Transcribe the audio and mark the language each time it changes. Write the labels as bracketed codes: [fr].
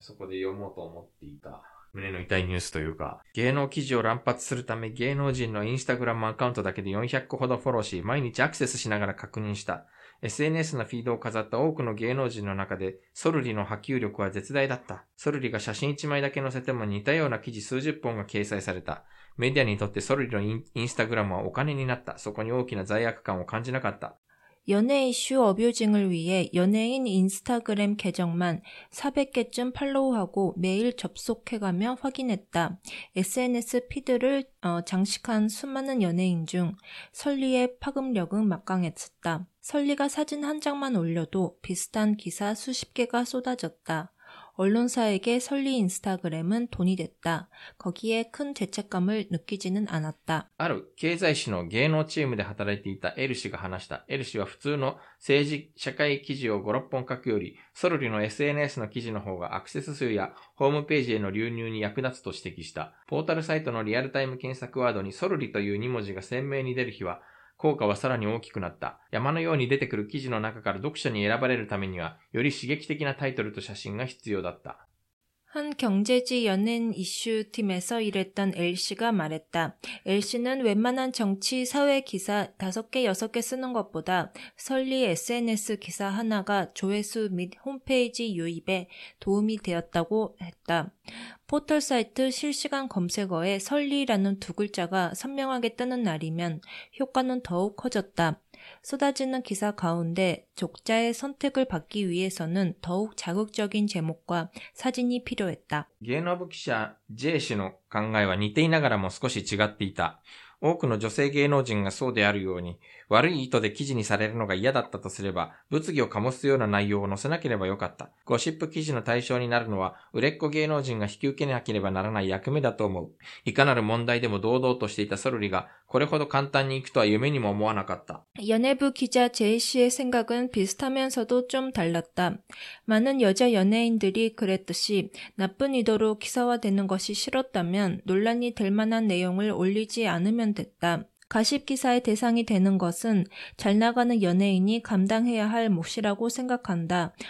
[ja] そこで読もうと思っていた胸の痛いニュースというか、芸能記事を乱発するため芸能人のインスタグラムアカウントだけで400個ほどフォローし、毎日アクセスしながら確認した。 SNS のフィードを飾った多くの芸能人の中でソルリの波及力は絶大だった。ソルリが写真1枚だけ載せても似たような記事数十本が掲載された。メディアにとってソルリのインスタグラムはお金になった。そこに大きな罪悪感を感じなかった。 [ko] 연예이슈어뷰징을위해연예인인스타그램계정만400개쯤팔로우하고매일접속해가며확인했다. SNS 피드를장식한수많은연예인중설리의파급력은막강했었다. 설리가 사진 한 장만 올려도 비슷한 기사 수십 개가 쏟아졌다. 언론사에게 설리 인스타그램은 돈이 됐다. 거기에 큰 죄책감을 느끼지는 않았다. [ja] ある経済誌の芸能チームで働いていたエル氏が話した。エル氏は普通の政治社会記事を 5、6本 書くより、 ソルリの SNS の記事の方がアクセス数やホームページへの流入に役立つと指摘した。ポータルサイトのリアルタイム検索ワードに ソルリという2文字が鮮明に出る日は、 効果はさらに大きくなった。山のように出てくる記事の中から読者に選ばれるためには、より刺激的なタイトルと写真が必要だった。 [ko] 한 경제지 연예인 이슈 팀에서 일했던 L 씨가 말했다. L 씨는 웬만한 정치 사회 기사 5개 6개 쓰는 것보다 설리 SNS 기사 하나가 조회수 및 홈페이지 유입에 도움이 되었다고 했다. 포털 사이트 실시간 검색어에 설리라는 두 글자가 선명하게 뜨는 날이면 효과는 더욱 커졌다. 쏟아지는 기사 가운데 적자의 선택을 받기 위해서는 더욱 자극적인 제목과 사진이 필요했다. [ja] 芸能部記者 J 氏の考えは似ていながらも少し違っていた。多くの女性芸能人がそうであるように、悪い意図で記事にされるのが嫌だったとすれば、物議を醸すような内容を載せなければよかった。ゴシップ記事の対象になるのは、売れっ子芸能人が引き受けなければならない役目だと思う。いかなる問題でも堂々としていたソルリが、これほど簡単に行くとは夢にも思わなかった。 [ko] 연예부 기자 제이씨의 생각은 비슷하면서도 좀 달랐다. 많은 여자 연예인들이 그랬듯이 나쁜 의도로 기사화되는 것이 싫었다면 논란이 될 만한 내용을 올리지 않으면 됐다. 가십기사의 대상이 되는 것은 잘 나가는 연예인이 감당해야 할 몫이라고 생각한다.